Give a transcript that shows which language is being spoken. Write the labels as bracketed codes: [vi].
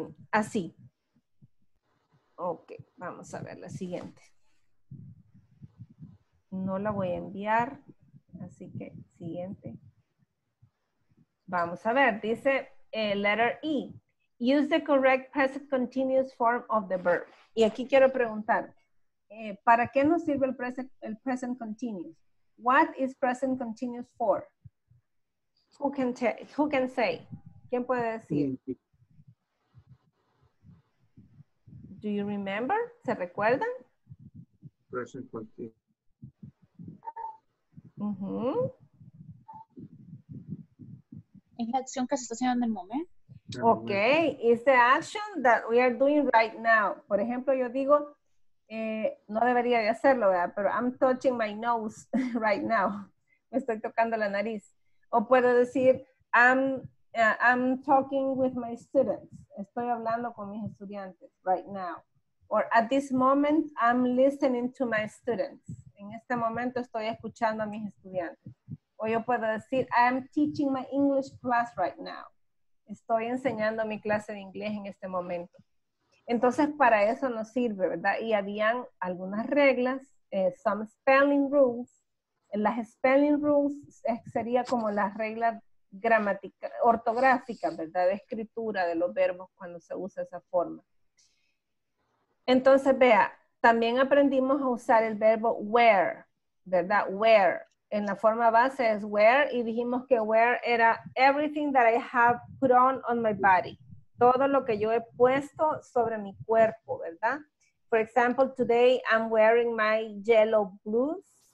[es] Así. Ok, vamos a ver la siguiente. No la voy a enviar, así que siguiente. Vamos a ver, dice letter E. [en] Use the correct present continuous form of the verb. [es] Y aquí quiero preguntar, ¿para qué nos sirve el present continuous? [en] What is present continuous for? Who can say? [es] ¿Quién puede decir? [en] Do you remember? [es] ¿Se recuerdan? [en] Present continuous. Uh-huh. [es] Es la acción que se está haciendo en el momento. [en] Okay, it's the action that we are doing right now. [es] Por ejemplo, yo digo, no debería de hacerlo, ¿verdad? [en] Pero I'm touching my nose right now. [es] Me estoy tocando la nariz. O puedo decir, [en] I'm talking with my students. [es] Estoy hablando con mis estudiantes [en] right now. Or at this moment, I'm listening to my students. [es] En este momento estoy escuchando a mis estudiantes. O yo puedo decir, [en] I'm teaching my English class right now. [es] Estoy enseñando mi clase de inglés en este momento. Entonces, para eso nos sirve, ¿verdad? Y habían algunas reglas, [en] some spelling rules. [es] Las spelling rules sería como las reglas gramáticas, ortográficas, ¿verdad? De escritura de los verbos cuando se usa esa forma. Entonces, vea, también aprendimos a usar el verbo wear, ¿verdad? Wear. En la forma base es wear y dijimos que wear era [en] everything that I have put on my body. [es] Todo lo que yo he puesto sobre mi cuerpo, ¿verdad? [en] For example, today I'm wearing my yellow blues.